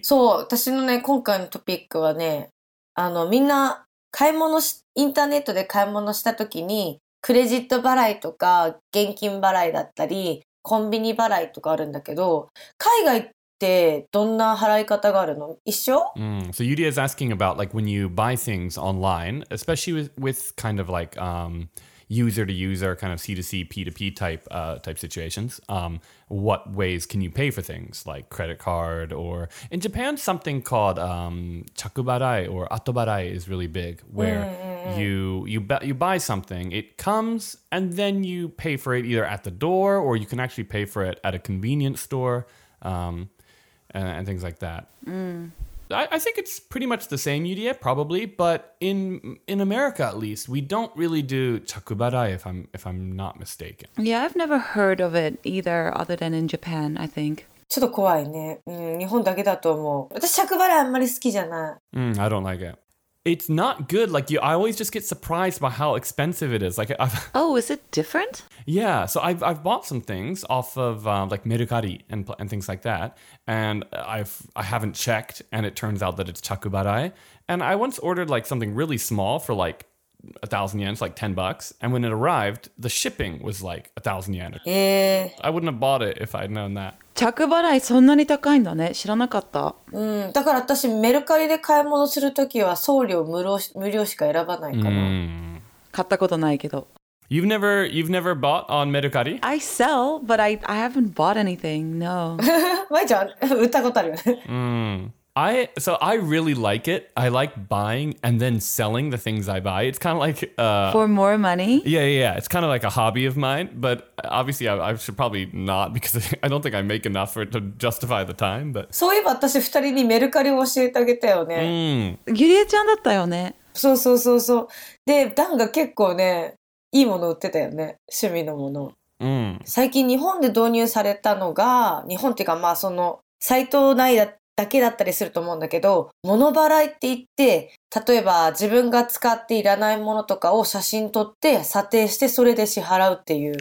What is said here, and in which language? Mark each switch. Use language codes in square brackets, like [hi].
[ja] そう、私のね、今回のトピックはね、あのみんな買い物しインターネットで買い物した時にクレジット払いとか現金払いだったりコンビニ払いとかあるんだけど海外ってどんな払い方があるの一緒、 [en] So Yuri is asking about like when you buy things online, especially with kind of like user to user, kind of C to C, P to P type situations. What ways can you pay for things like credit card or in Japan, something called chakubarai or atobarai is really big where you buy something, it comes and then you pay for it either at the door or you can actually pay for it at a convenience store and things like that. I think it's pretty much the same UDA, probably, but in America at least, we don't really do chakubarai, if I'm not mistaken. Yeah, I've never heard of it either, other than in Japan, I think. [ja] ちょっと怖いね。うん、日本だけだと思う。私、着払いあんまり好きじゃない。 [en] うん、I don't like it. It's not good. Like, you, I always just get surprised by how expensive it is. Like, oh, is it different? Yeah, so I've bought some things off of, like, Mercari and things like that. And I haven't checked, and it turns out that it's 着払い. And I once ordered, like, something really small for, like,1,000 yen, like 10 bucks. And when it arrived, the shipping was like 1,000 yen. I wouldn't have bought it if I'd known that. [ja] 着払いそんなに高いんだね。知らなかった。うん。だから私、メルカリで買い物するときは送料無料しか選ばないかな。買ったことないけど。 [en] You've never bought on Mercari? I sell, but I haven't bought anything, no. [ja] まいちゃん、売ったことあるよね。 [en] I really like it. I like buying and then selling the things I buy. It's kind of like... For more money? Yeah. It's kind of like a hobby of mine. But obviously, I should probably not because I don't think I make enough for it to justify the time. But... [ja] そういえば私二人にメルカリを教えてあげたよね。ゆりえちゃんだったよね。そう。で、ダンが結構ね、いいもの売ってたよね。趣味のもの。最近日本で導入されたのが、日本っていうかまあその、サイト内だっただけだったりすると思うんだけど、物払いって言って、例えば自分が使っていらないものとかを写真撮って査定してそれで支払うっていう。